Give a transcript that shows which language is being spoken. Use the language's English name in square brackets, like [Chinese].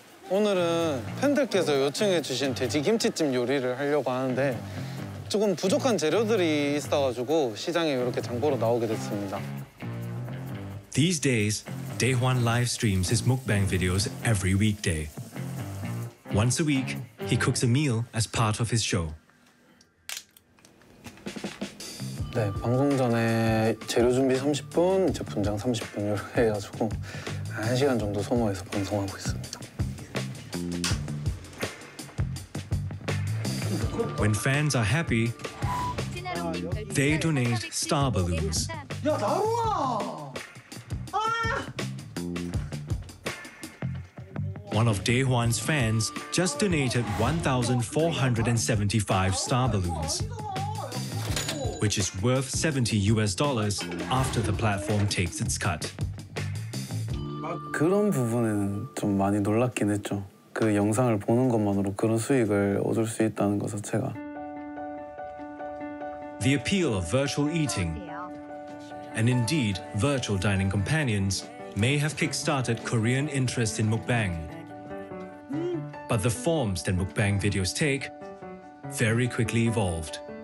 [Korean] 오늘은 팬들께서 요청해 주신 돼지 김치찜 요리를 하려고 하는데 조금 부족한 재료들이 있어가지고 시장에 이렇게 장보러 나오게 됐습니다. [English] These days, Daehwan live streams his mukbang videos every weekday. Once a week, he cooks a meal as part of his show. [Korean] 네, 방송 전에 재료 준비 30분, 이제 분장 30분 이렇게 해가지고 1시간 정도 소모해서 방송하고 있습니다. [English] When fans are happy, they donate star balloons. [Korean] 야, 나루아! 아! [English] One of Daehwan's fans just donated 1,475 star balloons, which is worth $70 after the platform takes its cut. [Korean] 그런 부분은 좀 많이 놀랐긴 했죠. 그 영상을 보는 것만으로 그런 수익을 얻을 수 있다는 것 자체가. [English] The appeal of virtual eating, and indeed virtual dining companions, may have kickstarted Korean interest in mukbang. But the forms that mukbang videos take very quickly evolved.